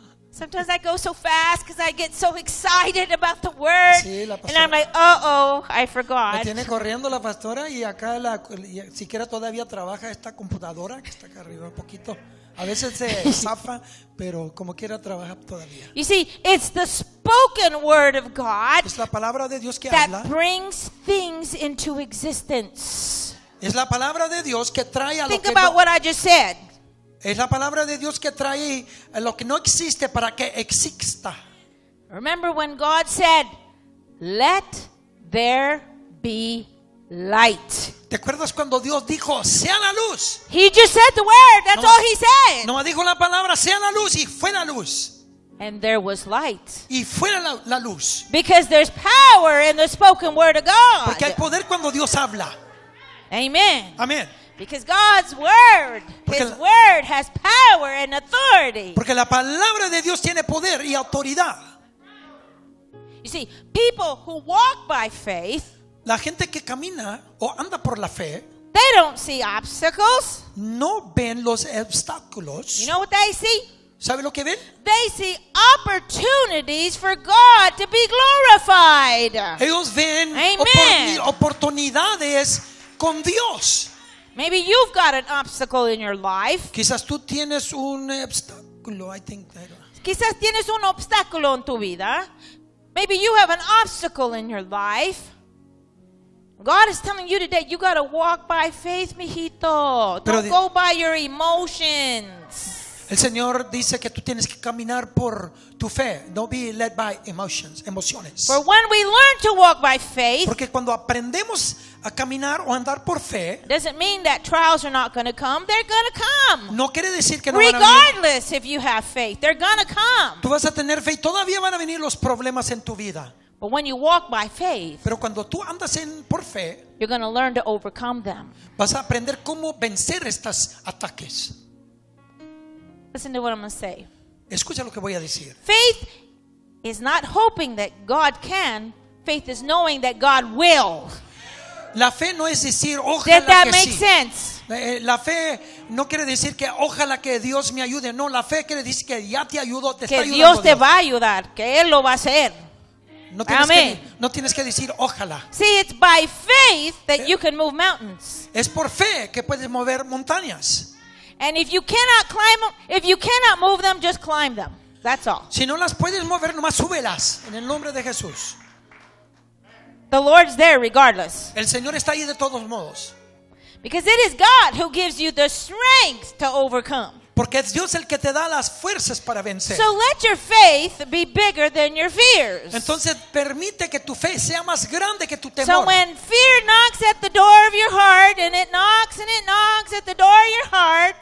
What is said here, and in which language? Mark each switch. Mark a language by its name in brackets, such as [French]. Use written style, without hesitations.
[English] Sometimes I go so fast because I get so excited about the word, [Spanish] sí, la [English] and I'm like, oh, I forgot. [Spanish] Me tiene corriendo la pastora y acá la y siquiera todavía trabaja esta computadora que está acá arriba un poquito. A veces se zafa, pero como quiera trabaja todavía. [English] You see, it's the spoken word of God. [Spanish] Es la palabra de Dios que [English] that [Spanish] habla. [English] That brings things into existence. [Spanish] Es la palabra de Dios que trae a lo [English] Think [Spanish] que [English] about what I just said. [Spanish] Es la palabra de Dios que trae a lo que no existe para que exista. [English] Remember when God said, "Let there be light." [Spanish] ¿Te acuerdas cuando Dios dijo, "Sea la luz"? [English] He just said the word. That's no, all he said. [Spanish] No me dijo la palabra, "Sea la luz" y fue la luz. [English] And there was light. [Spanish] Y fue la luz. [English] Because there's power in the spoken word of God. [Spanish] Porque hay poder cuando Dios habla. [English] Amen. [Spanish] Amén. [English] Because God's word, [Spanish] porque [English] his word has power and authority. [Spanish] Porque la palabra de Dios tiene poder y autoridad. [English] You see, people who walk by faith, [Spanish] la gente que camina o anda por la fe, [English] they don't see obstacles. [Spanish] No ven los obstáculos. [English] You know what they see? [Spanish] ¿Sabe lo que ven? [English] They see opportunities for God to be glorified. [Spanish] Ellos ven oportunidades con Dios. [English] Maybe you've got an obstacle in your life. [Spanish] Quizás tú tienes un obstáculo, [English] I think that. [Spanish] Quizás tienes un obstáculo en tu vida. [English] Maybe you have an obstacle in your life. God is telling you today, you got to walk by faith, mijito. Don't go by your emotions. [Spanish] El Señor dice que tú tienes que caminar por tu fe. [English] Don't be led by emotions. For when we learn to walk by faith, [Spanish] porque cuando aprendemos a caminar o andar por fe, [English] doesn't mean that trials are not going to come. They're going to come. [Spanish] No quiere decir que no [English] Regardless [Spanish] van a venir. [English] Regardless if you have faith, they're going to come. [Spanish] Tú vas a tener fe y todavía van a venir los problemas en tu vida. [English] But when you walk by faith, [Spanish] pero cuando tú andas por fe, [English] you're going to learn to overcome them. [Spanish] Vas a aprender cómo vencer estos ataques. [English] Listen to what I'm going to say. [Spanish] Escucha lo que voy a decir. [English] Faith is not hoping that God can. Faith is knowing that God will. [Spanish] La fe no es decir ojalá que sí. [English] Did that make sense? [Spanish] La fe no quiere decir que ojalá que Dios me ayude. No, la fe quiere decir que ya te ayudo, te que está ayudando. te va a ayudar, que Él lo va a hacer. No tienes, Amen. Que, no tienes que decir ojalá. [English] See, it's by faith that you can move mountains. [Spanish] Es por fe que puedes mover montañas. [English] And if you cannot climb them, if you cannot move them, just climb them. That's all. [Spanish] Si no las puedes mover, nomás súbelas en el nombre de Jesús. [English] The Lord's there regardless. [Spanish] El Señor está ahí de todos modos. [English] Because it is God who gives you the strength to overcome. [Spanish] Porque es Dios el que te da las fuerzas para vencer. [English] So let your faith be bigger than your fears. [Spanish] Entonces permite que tu fe sea más grande que tu temor. [English] So when fear knocks at the door of your heart, and it knocks at the door of your heart.